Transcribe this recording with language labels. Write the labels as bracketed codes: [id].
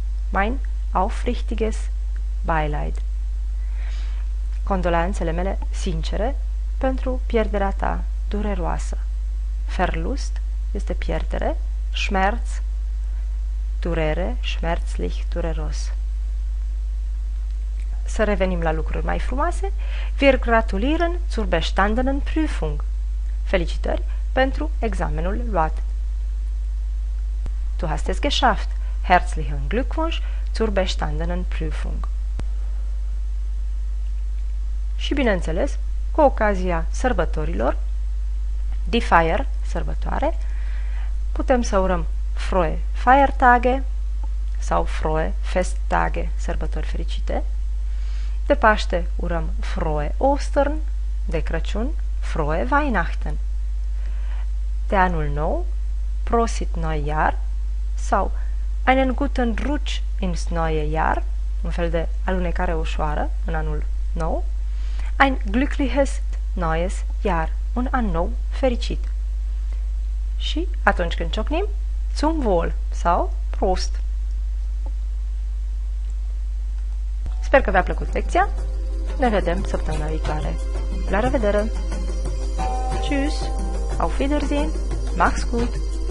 [de] Mein aufrichtiges Beileid. [ro] Condoleanțele mele sincere pentru pierderea ta dureroasă. Verlust este pierdere, Schmerz, durere, schmerzlich, dureros. Să revenim la lucruri mai frumoase. [de] Wir gratulieren zur bestandenen Prüfung. [ro] Felicitări pentru examenul luat. [de] Du hast es geschafft. Herzlichen Glückwunsch zur bestandenen Prüfung. [ro] Și bineînțeles, cu ocazia sărbătorilor, die Feier, sărbătoare, putem să urăm [de] frohe Feiertage [ro] sau [de] frohe Festtage, [ro] sărbători fericite. De Paște urăm [de] frohe Ostern, [ro] de Crăciun, [de] frohe Weihnachten. [ro] De Anul Nou, [de] prosit Neujahr [ro] sau [de] einen guten Rutsch ins neue Jahr, [ro] un fel de alunecare ușoară în Anul Nou. [de] Ein glückliches neues Jahr, [ro] un an nou fericit. Și atunci când ciocnim, [de] zum Wohl [ro] sau Prost. Sper că v-a plăcut lecția. Ne vedem săptămâna viitoare. La revedere! [de] Tschüss! Auf Wiedersehen! Mach's gut!